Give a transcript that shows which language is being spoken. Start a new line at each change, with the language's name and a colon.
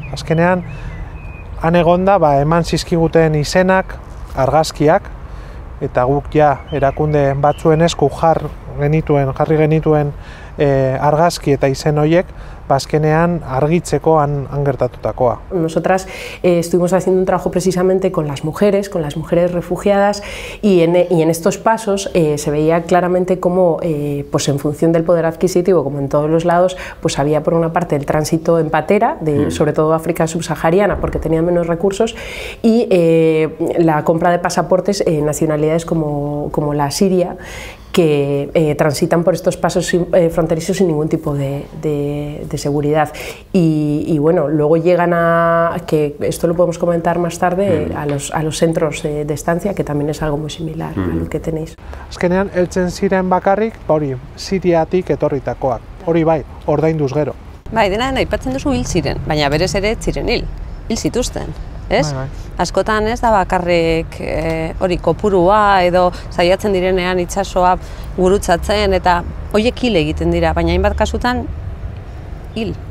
Basque: Azkenean han egonda eman zizkiguten izenak, argazkiak, eta guk erakunde batzuen esku jarri genituen argazki eta izen horiek azkenean argitzeko han gertatutakoa.
Spanish: Nosotras estuvimos haciendo un trabajo precisamente con las mujeres refugiadas, y en estos pasos se veía claramente cómo, pues en función del poder adquisitivo, como en todos los lados, pues había por una parte el tránsito en patera, sobre todo África subsahariana, porque tenían menos recursos, y la compra de pasaportes en nacionalidades como la siria, que transitan por estos pasos fronterizos sin ningún tipo de seguridad. Y bueno, luego llegan a, que esto lo podemos comentar más tarde, a los centros de estancia, que también es algo muy similar a lo que tenéis.
Basque: Azkenean, heltzen ziren bakarrik, hori, siriatik etorritakoak. Hori bai, ordainduz gero. Bai, dena den, aipatzen duzu hil ziren, baina berez ere ziren hil. Hil zituzten, ez? Bai, bai. Askotan ez da bakarrik hori kopurua edo saiatzen direnean itsasoa gurutzatzen eta hoiek hil egiten dira, baina hainbat kasutan hil.